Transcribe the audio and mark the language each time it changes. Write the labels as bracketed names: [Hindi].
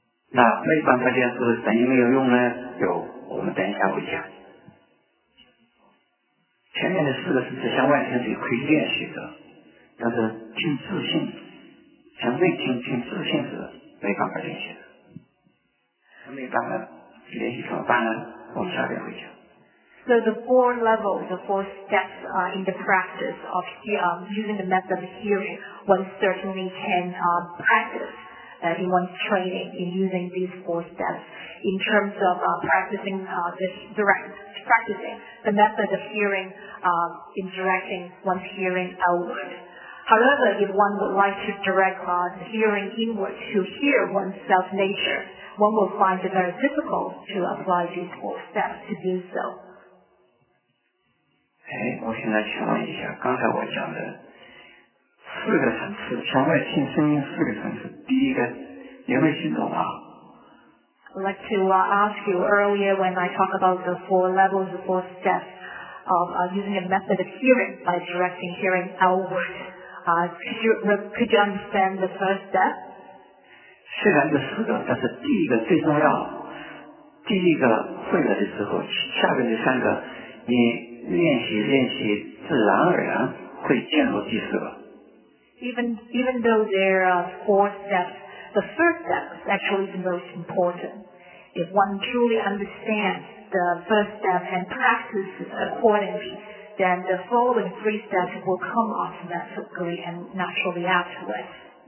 [Chinese] 那没办法练是不是等于没有用呢？有，我们等一下会讲。前面的四个层次向外听是可以练习的。但是听自信，向内听，听自信是没办法练习的。没办法练习怎么办呢？我们下边会讲。 [English] So the four levels, the four steps in the practice of using the method of hearing, one certainly can practice in one's training in using these four steps in terms of practicing the method of hearing in directing one's hearing outward. However, if one would like to direct the hearing inward to hear one's self-nature, one will find it very difficult to apply these four steps to do so. [Chinese] 我现在请问一下，刚才我讲的四个层次，向外听声音四个层次，第一个有没有听懂啊？ [English] I'd like to ask you earlier when I talk about the four levels, the four steps of using a method of hearing by directing hearing outward. Could you understand the first step? [Chinese] 虽然是四个，但是第一个最重要。第一个会了的时候，下面的三个，你练习练习，自然而然会进入第四个。 [English] Even though there are four steps, the first step is actually the most important. If one truly understands the first step and practices accordingly,then the following three steps will come automatically and naturally afterwards.